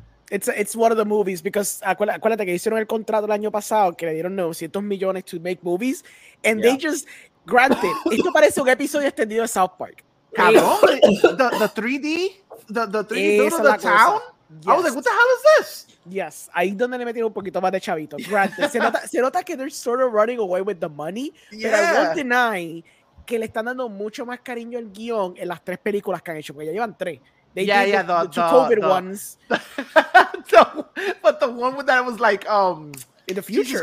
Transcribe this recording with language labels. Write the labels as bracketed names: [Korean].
[English] It's one of the movies because [Spanish] acuérdate que hicieron el contrato el año pasado que le dieron 900 millones [English] to make movies, and they just granted [Spanish] esto parece un episodio extendido de South Park. [English] Cabrón, the 3D, the 3D build of the town. Yes. I was like, what the hell is this? [Spanish] Yes, ahí donde le metieron un poquito más de chavito. [English] Granted, [Spanish] se nota que [English] they're sort of running away with the money, yeah. But I won't deny [Spanish] que le están dando mucho más cariño al guión en las tres películas que han hecho, porque ya llevan tres. [English] They yeah, did yeah, the COVID the, ones. The, but the one with that was like, in the future.